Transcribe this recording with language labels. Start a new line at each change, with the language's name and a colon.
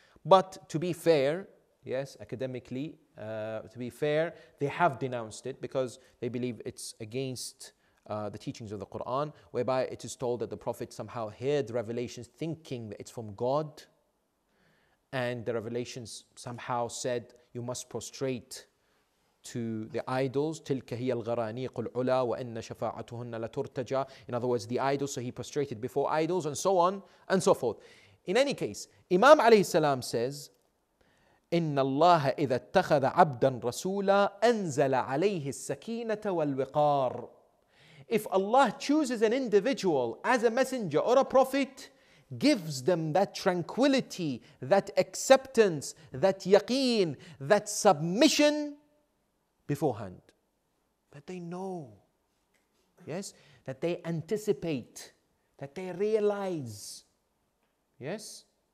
English: But to be fair, yes, academically, to be fair, they have denounced it because they believe it's against the teachings of the Quran, whereby it is told that the Prophet somehow heard revelations thinking that it's from God, and the revelations somehow said you must prostrate to the idols.
Arabic: تِلْكَ هِيَ الْغَرَانِيقُ الْعُلَى وَإِنَّ شَفَاعَتُهُنَّ لَتُرْتَجَى.
English: In other words, the idols, so he prostrated before idols and so on and so forth. In any case, Imam alayhi salam says,
Arabic: إِنَّ اللَّهَ إِذَا اتَّخَذَ عَبْدًا رَسُولًا أَنزَلَ عَلَيْهِ السَّكِينَةَ وَالْوِقَارِ.
English: If Allah chooses an individual as a messenger or a prophet, gives them that tranquility, that acceptance, that yaqeen, that submission beforehand, that they know, yes, that they anticipate, that they realize, yes.